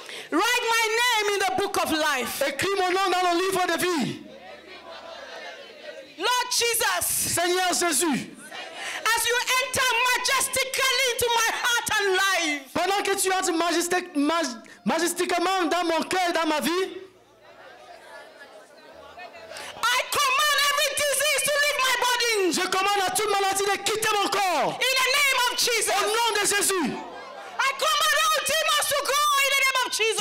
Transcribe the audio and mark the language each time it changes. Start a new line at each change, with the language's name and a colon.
English: Write my name in the book of life.
French: Écris mon nom dans le livre de vie.
English: Lord Jesus.
French: Seigneur Jésus.
English: As you enter majestically into my heart and life.
French: Pendant que tu entres majestiquement dans mon cœur et dans ma vie.
English: I command every disease to leave my body.
French: Je commande à toute maladie de quitter mon corps.
English: In the name of Jesus.
French: Au nom de Jésus.
English: I command all demons to go in the name of Jesus.